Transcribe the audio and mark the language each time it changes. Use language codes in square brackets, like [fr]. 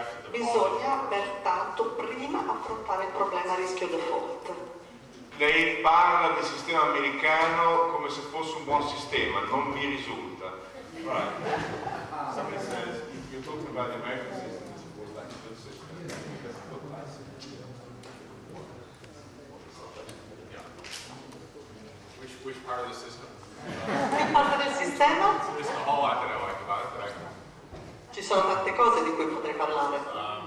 [it] Bisogna pertanto prima affrontare il problema rischio default. Lei parla del sistema americano come se fosse un buon sistema, non mi risulta. [en] Somebody says you're talking about the American system as a good system. Because it looks like it. Which part of the system? [it] Che parte del sistema? [en] There's a whole lot that I like about it, but I can. [it] Ci sono tante cose di cui potrei parlare.